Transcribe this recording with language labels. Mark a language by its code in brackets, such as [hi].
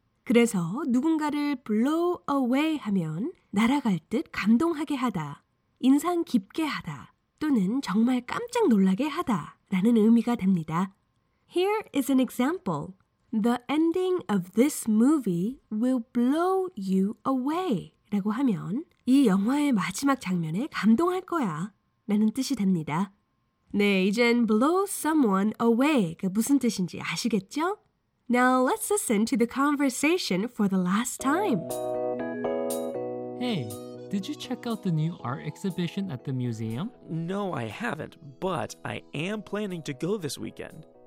[ko] 그래서 누군가를 blow away 하면 날아갈 듯 감동하게 하다, 인상 깊게 하다, 또는 정말 깜짝 놀라게 하다 라는 의미가 됩니다. [en] Here is an example. The ending of this movie will blow you away. [ko] 라고 하면 이 영화의 마지막 장면에 감동할 거야 라는 뜻이 됩니다. 네, 이젠 blow someone away 그 무슨 뜻인지 아시겠죠? [en] Now let's listen to the conversation for the last time. Hey, did you check out the new art exhibition at the museum? No, I haven't, but I am planning to go this weekend.